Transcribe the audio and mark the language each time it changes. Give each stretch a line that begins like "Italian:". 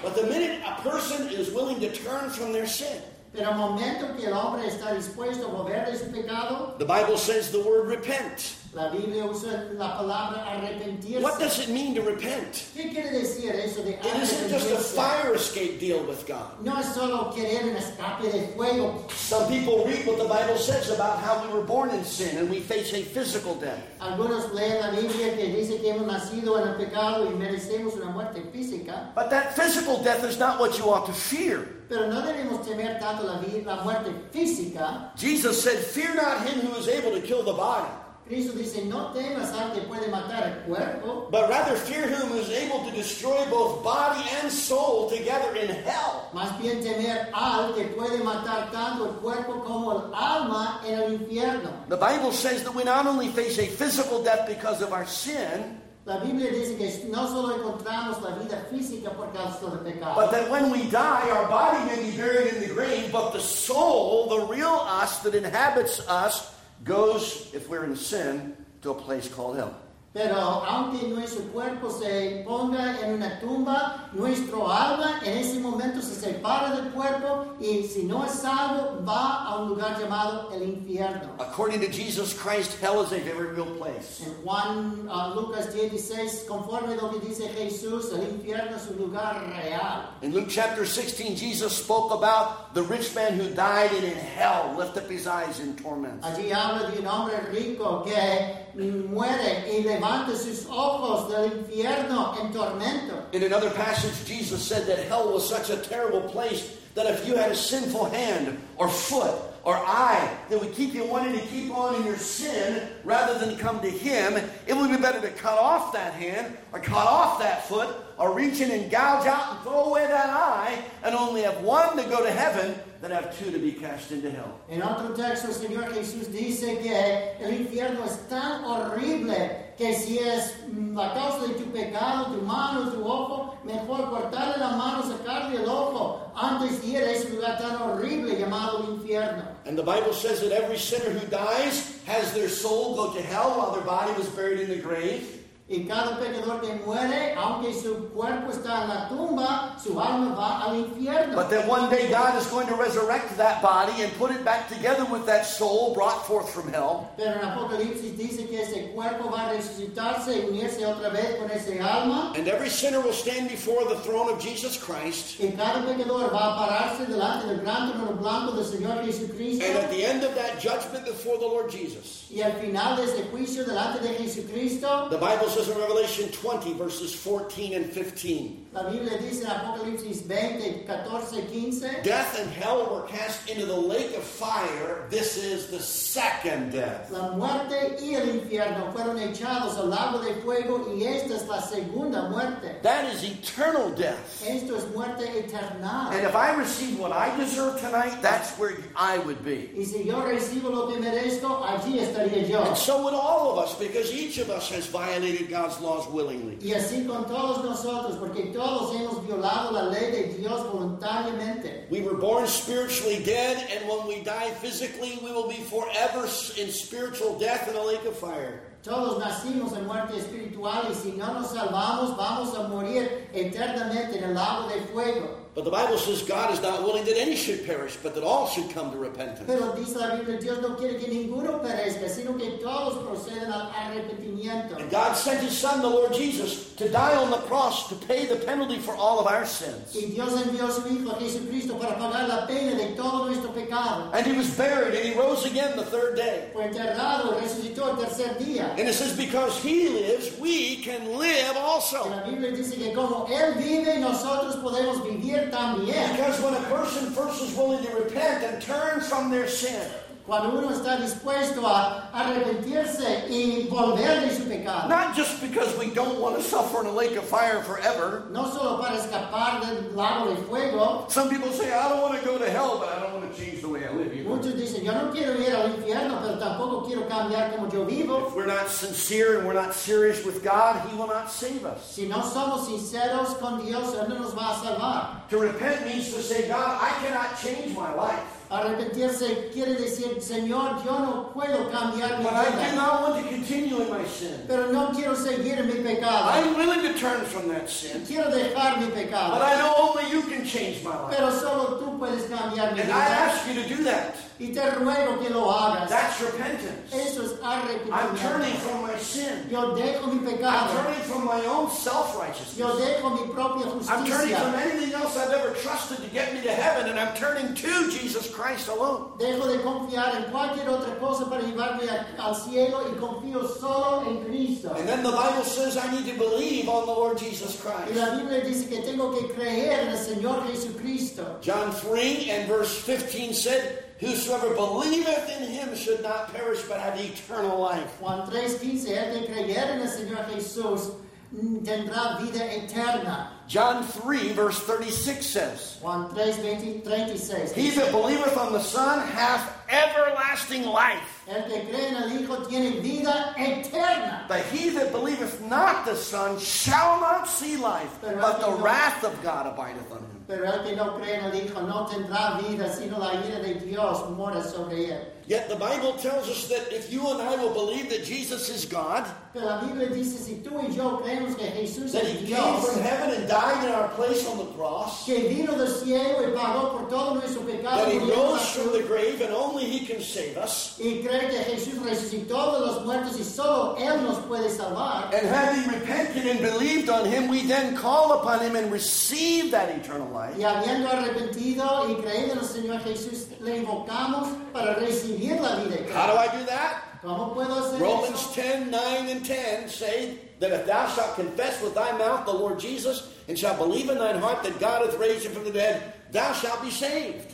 English: But the minute a person is willing to turn from their sin.
Spanish: Pero al momento que el hombre está dispuesto a volver de su pecado.
English: The Bible says the word repent.
Spanish: La Biblia usa la palabra arrepentirse.
English: What does it mean to repent?
Spanish: ¿Qué quiere decir eso de arrepentirse?
English: It isn't just a fire escape deal with God.
Spanish: No es solo querer un escape de fuego.
English: Some people read what the Bible says about how we were born in sin and we face a physical death.
Spanish: Algunos leen la Biblia que dice que hemos nacido en el pecado y merecemos una muerte física.
English: But that physical death is not what you ought to fear.
Spanish: Pero no debemos temer tanto la vida, la muerte física.
English: Jesus said, "Fear not him who is able to kill the body."
Spanish: Cristo dice, no temas al que puede matar el cuerpo.
English: But rather fear him who is able to destroy both body and soul together in hell.
Spanish: Más bien temer al que puede matar tanto el cuerpo como el alma en el infierno.
English: The Bible says that we not only face a physical death because of our sin.
Spanish: La Biblia dice que no solo encontramos la vida física por causa del pecado.
English: But that when we die, our body may be buried in the grave, but the soul, the real us that inhabits us, goes, if we're in sin, to a place called hell.
Spanish: Pero aunque nuestro cuerpo se ponga en una tumba, nuestro alma en ese momento se separa del cuerpo y si no es salvo, va a un lugar llamado el infierno.
English: According to Jesus Christ, hell is a very real place.
Spanish: En Juan Lucas 16, conforme lo que dice Jesús, el infierno es un lugar real.
English: In Luke chapter 16, Jesus spoke about the rich man who died and in hell lift up his eyes in torment.
Spanish: Allí habla de un hombre rico que muere y levanta sus ojos del infierno en tormento.
English: In another passage, Jesus said that hell was such a terrible place that if you had a sinful hand or foot or eye that would keep you wanting to keep on in your sin rather than come to him, it would be better to cut off that hand or cut off that foot or reach in and gouge out and throw away that eye and only have one to go to heaven than have two to be cast into hell.
Spanish: En otro texto, el Señor Jesús dice que el infierno es tan horrible que si es la causa de tu pecado, tu mano, tu ojo, mejor cortarle la mano, sacarle el ojo antes de ir a ese lugar tan horrible llamado el infierno.
English: And the Bible says that every sinner who dies has their soul go to hell while their body was buried in the grave.
Spanish: Y cada pecador que muere, aunque su cuerpo está en la tumba, su alma va al infierno.
English: But then one day God is going to resurrect that body and put it back together with that soul brought forth from hell.
Spanish: Pero en Apocalipsis dice que ese cuerpo va a resucitarse y unirse otra vez con ese alma.
English: And every sinner will stand before the throne of Jesus Christ.
Spanish: Y cada pecador va a pararse delante del gran trono blanco del Señor Jesucristo.
English: And at the end of that judgment before the Lord Jesus.
Spanish: Y al final de ese juicio delante de Jesucristo.
English: The Bible says says in Revelation 20, verses 14 and 15.
Spanish: La Biblia dice en Apocalipsis 20, 14 y 15.
English: Death and hell were cast into the lake of fire. This is the second death.
Spanish: La muerte y el infierno fueron echados al lago de fuego y esta es la segunda muerte.
English: That is eternal death.
Spanish: Esto es muerte eterna.
English: And if I receive what I deserve tonight, that's where I would be.
Spanish: Y si yo recibo lo que merezco, allí estaría yo.
English: And so would all of us, because each of us has violated God's laws willingly.
Spanish: Y así con todos nosotros, porque todos hemos violado la ley de Dios voluntariamente.
English: We were born spiritually dead, and when we die physically, we will be forever in spiritual death in a lake of fire.
Spanish: Todos nacimos en muerte espiritual, y si no nos salvamos, vamos a morir eternamente en el lago de fuego.
English: But the Bible says God is not willing that any should perish, but that all should come to repentance.
Spanish: Pero dice la Biblia, Dios no quiere que ninguno perezca, sino que todos procedan al arrepentimiento.
English: And God sent His Son, the Lord Jesus, to die on the cross to pay the penalty for all of our sins.
Spanish: Y Dios envió su Hijo, Jesucristo, para pagar la pena de todo nuestro pecado.
English: And He was buried, and He rose again the third day.
Spanish: Fue enterrado, resucitó el tercer día.
English: And it says, because He lives, we can live also.
Spanish: La Biblia dice que como Él vive, nosotros podemos vivir.
English: Because when a person first is willing to repent and turn from their sin,
Spanish: cuando uno está dispuesto a arrepentirse y volver de su pecado,
English: not just because we don't want to suffer in a lake of fire forever,
Spanish: no solo para escapar del lago de fuego.
English: Some people say, I don't want to go to hell, but I don't want to change the way I live either.
Spanish: Muchos dicen, yo no quiero ir al infierno, pero tampoco quiero cambiar como yo vivo.
English: If we're not sincere and we're not serious with God, He will not save us.
Spanish: Si no somos sinceros con Dios, Él no nos va a salvar.
English: To repent means to say, God, I cannot change my life.
Spanish: Arrepentirse quiere decir, Señor, yo no puedo cambiar mi vida.
English: But I do not want to continue in my sin.
Spanish: Pero no quiero seguir en mi pecado.
English: I'm willing to turn from that sin.
Spanish: Quiero dejar mi pecado.
English: But I know only you can change my life.
Spanish: Pero solo tú puedes cambiar mi vida.
English: And I ask you to do that.
Spanish: Y te ruego que lo hagas.
English: That's repentance.
Spanish: Eso es arrepentimiento.
English: I'm turning from my sin.
Spanish: Yo dejo mi pecado.
English: I'm turning from my own self-righteousness.
Spanish: Yo dejo mi propia justicia.
English: I'm turning from anything else I've ever trusted to get me to heaven, and I'm turning to Jesus Christ alone.
Spanish: Dejo de confiar en cualquier otra cosa para llevarme al cielo y confío solo en Cristo.
English: And then the Bible says I need to believe on the Lord Jesus Christ.
Spanish: Y la Biblia dice que tengo que creer en el Señor Jesucristo.
English: John 3 and verse 15 said, whosoever believeth in Him should not perish but have eternal life.
Spanish: Juan 3:15, el que creyere en el Señor Jesús tendrá vida eterna.
English: John 3, verse 36 says,
Spanish: Juan 3:36,
English: he that believeth on the Son hath everlasting life.
Spanish: El que cree en el Hijo tiene vida eterna.
English: But he that believeth not the Son shall not see life, but the wrath of God abideth on him.
Spanish: Pero el que no cree en el Hijo no tendrá vida, sino la ira de Dios mora sobre él.
English: Yet the Bible tells us that if you and I will believe that Jesus is God,
Spanish: pero la Biblia dice, si tú y yo creemos que Jesús Dios,
English: that He came from heaven and died in our place on the cross,
Spanish: que vino del cielo y pagó por todo nuestro pecado,
English: that He rose from the grave and only He can save us,
Spanish: y cree que Jesús resucitó de los muertos y solo Él nos puede salvar,
English: and having repented and believed on Him, we then call upon Him and receive that eternal life.
Spanish: Y habiendo arrepentido y creído en el Señor Jesús, le invocamos para recibir la vida.
English: How do I do that?
Spanish: ¿Cómo puedo hacer
English: Romans
Spanish: eso?
English: 10, 9 and 10 say that if thou shalt confess with thy mouth the Lord Jesus and shalt believe in thine heart that God hath raised Him from the dead, thou shalt be saved.